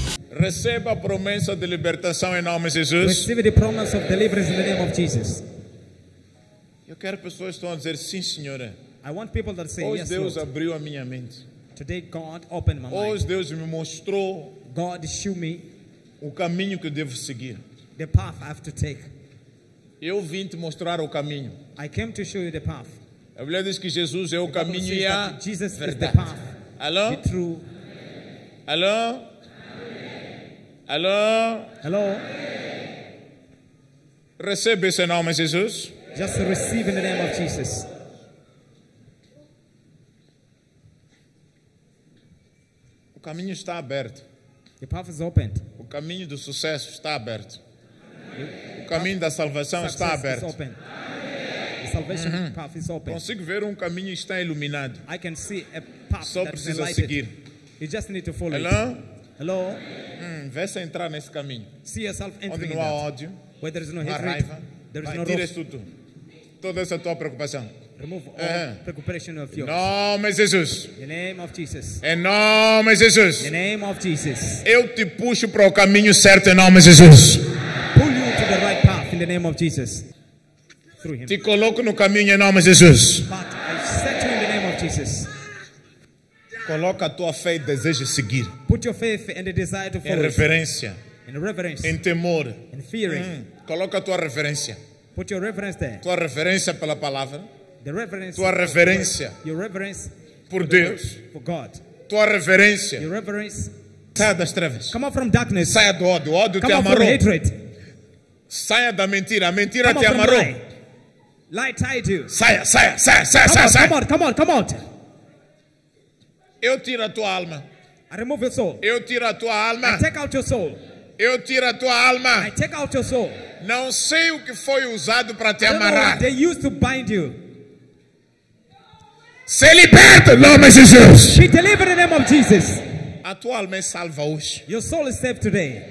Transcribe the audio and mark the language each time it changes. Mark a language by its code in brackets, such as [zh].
[pt] Receba promesa de libertação em nome de Jesus. [en] Receive the promise of deliverance in the name of Jesus. [pt] Eu quero pessoas que estão a dizer sim, Senhor. [en] I want people that say [pt] hoje [en] yes. [pt] Hoje Deus abriu a minha mente. [en] Today God opened my mind. [pt] Hoje Deus me mostrou. [en] God showed me [pt] o caminho que eu devo seguir. [en] The path I have to take. [pt] Eu vim te mostrar o caminho. [en] I came to show you the path. [pt] A Bíblia diz que Jesus é o caminho e a verdade. [en] Jesus is the path. [pt] Alô? [en] The true. [pt] Alô? Alô? Alô? Receba esse nome, Jesus. [en] Just receive in the name of Jesus. [pt] O caminho está aberto. [en] The path is open. [pt] O caminho do sucesso está aberto. O caminho da salvação está aberto. [en] Is open. The salvation path is open. [pt] Consigo ver um caminho que está iluminado. [en] I can see a path. [pt] Só precisa seguir. [en] You just need to follow. [pt] Alô? [en] Hello. [pt] Vê se entrar nesse caminho. [en] See yourself entering. [pt] Onde não há ódio, [en] where there is no hatred, [pt] raiva, [en] there is no [pt] tira tudo. Toda essa tua preocupação. [en] Remove all preoccupation of yours. [pt] Em nome de Jesus. [en] The name of Jesus. [pt] Em nome de Jesus. [en] The name of Jesus. [pt] Eu te puxo para o caminho certo em nome de Jesus. [en] Pull you to the right path in the name of Jesus. Through him. [pt] Te coloco no caminho em nome de Jesus. [en] But I set you in the name of Jesus. [pt] Coloca a tua fé e deseja seguir. [en] Put your faith and the desire to follow. [pt] Em reverência. [en] In reverence. [pt] Em temor. [en] In fearing. [pt] Coloca a tua reverência. [en] Put your reverence there. [pt] Tua reverência pela palavra. [en] The reverence. [pt] Tua reverência. [en] Your reverence. [pt] Por Deus. [en] For God. [pt] Tua reverência. [en] Your reverence. [pt] Saia das trevas. [en] Come out from darkness. [pt] Saia do ódio. O ódio te amarrou. [en] Come out from hatred. [pt] Saia da mentira. A mentira te amarrou. [en] Come out from lie. Lie tied you. [pt] Saia, saia, saia, saia, saia, saia. [en] Come out, come out, come out. [pt] Eu tiro a tua alma. [en] I remove your soul. [pt] Eu tiro a tua alma. [en] I take out your soul. [pt] Eu tiro a tua alma. [en] I take out your soul. [pt] Não sei o que foi usado para te amarrar. [en] They used to bind you. [pt] Se liberta em nome de Jesus. [en] Be delivered in the name of Jesus. [pt] A tua alma é salva hoje. [en] Your soul is saved today.